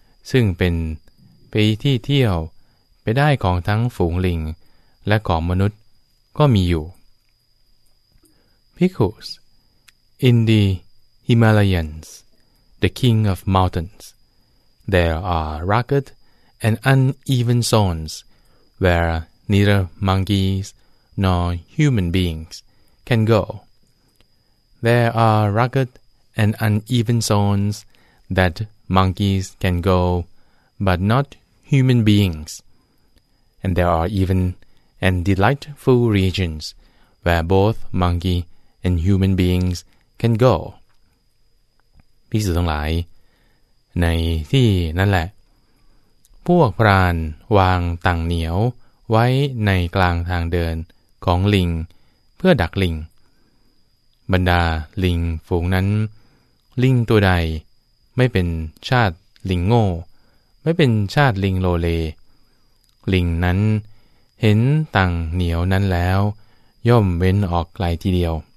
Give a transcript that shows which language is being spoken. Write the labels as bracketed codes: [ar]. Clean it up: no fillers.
[th] ซึ่งเป็นไปที่เที่ยวไปได้ของทั้งฝูงลิงและของมนุษย์ก็มีอยู่ [en] Because in the Himalayas, the king of mountains, there are rugged and uneven zones where neither monkeys nor human beings can go. There are ruggedand uneven zones that monkeys can go, but not human beings. And there are even and delightful regions where both monkey and human beings can go. [th] ภิกษุทั้งหลายในที่นั่นแหละพวกพรานวางตังเหนียวไว้ในกลางทางเดินของลิงเพื่อดักลิงบรรดาลิงฝูงนั้นลิงตัวใดไม่เป็นชาติลิงโง่ไม่เป็นชาติลิงโลเลลิงนั้นเห็นตังเหนียวนั้นแล้วย่อมเว้นออกไกลทีเดียว